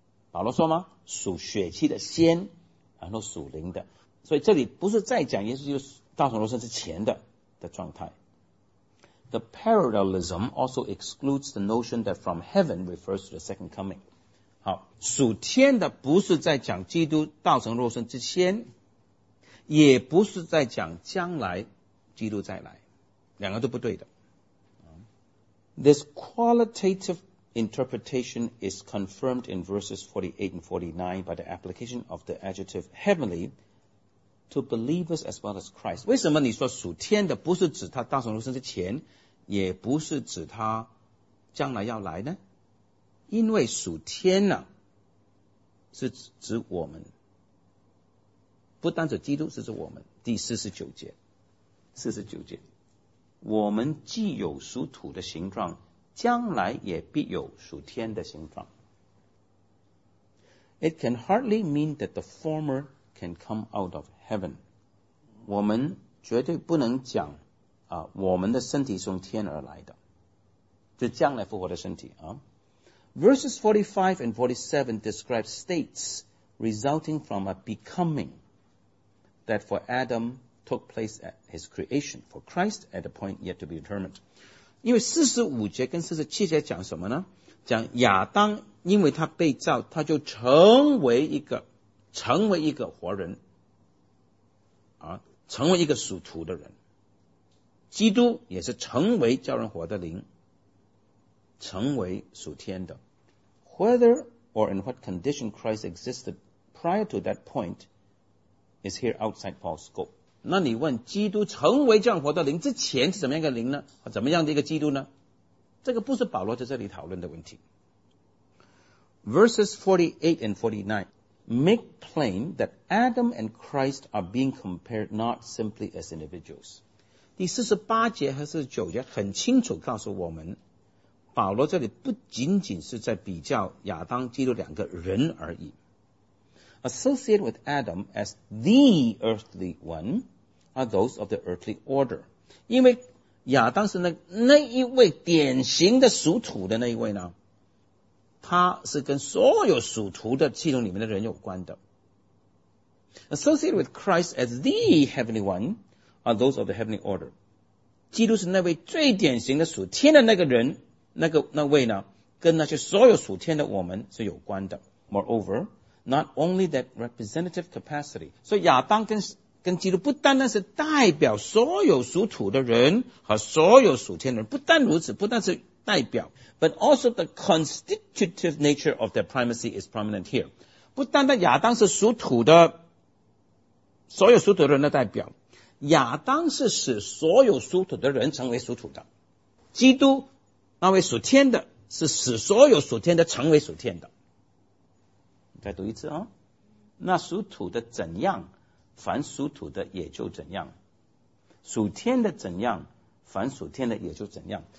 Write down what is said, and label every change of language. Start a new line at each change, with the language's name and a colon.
Chinese: 保罗说吗？属血气的先，然后属灵的，所以这里不是在讲耶稣基督道成肉身之前的状态。
English: The parallelism also excludes the notion that from heaven refers to the second coming.
Chinese: 好，属天的不是在讲基督道成肉身之前，也不是在讲将来基督再来，两个都不对的。
English: This qualitative interpretation is confirmed in verses 48 and 49 by the application of the adjective heavenly to believers as well as Christ.
Chinese: 为什么你说属天的不是指他道成肉身之前，也不是指他将来要来呢？因为属天呢，是指我们，不单指基督，是指我们。第四十九节，四十九节。我们既有属土的形状，将来也必有属天的形状。
English: It can hardly mean that the former can come out of heaven.
Chinese: 我们绝对不能讲啊，我们的身体是从天而来的，就将来复活的身体啊。
English: Verses 45 and 47 describe states resulting from a becoming that for Adam took place at his creation, for Christ at a point yet to be determined.
Chinese: 因为45节跟47节讲什么呢？讲亚当因为他被造，他就成为一个活人啊，成为一个属土的人。基督也是成为叫人活的灵，成为属天的。
English: Whether or in what condition Christ existed prior to that point is here outside Paul's scope.
Chinese: 那你问基督成为降活的灵之前是怎么样一个灵呢？怎么样的一个基督呢？这个不是保罗在这里讨论的问题。
English: Verses 48 and 49 make plain that Adam and Christ are being compared not simply as individuals.
Chinese: 第48节和49节很清楚告诉我们保罗这里不仅仅是在比较亚当基督两个人而已。
English: Associated with Adam as the earthly one are those of the earthly order.
Chinese: 因为亚当是 那一位典型的属土的那一位呢，他是跟所有属土的系统里面的人有关的。
English: Associated with Christ as the heavenly one are those of the heavenly order.
Chinese: 基督是那位最典型的属天的那个人，那位呢，跟那些所有属天的我们是有关的。
English: Moreover, not only that representative capacity.
Chinese: 所以亚当跟基督不单单是代表所有属土的人和所有属天的人，不但如此，不但是代表，
English: but also the constitutive nature of their primacy is prominent here.
Chinese: 不单单亚当是属土的，所有属土的人的代表，亚当是使所有属土的人成为属土的，基督那位属天的是使所有属天的成为属天的。再读一次哦，那属土的怎样，凡属土的也就怎样；属天的怎样，凡属天的也就怎样。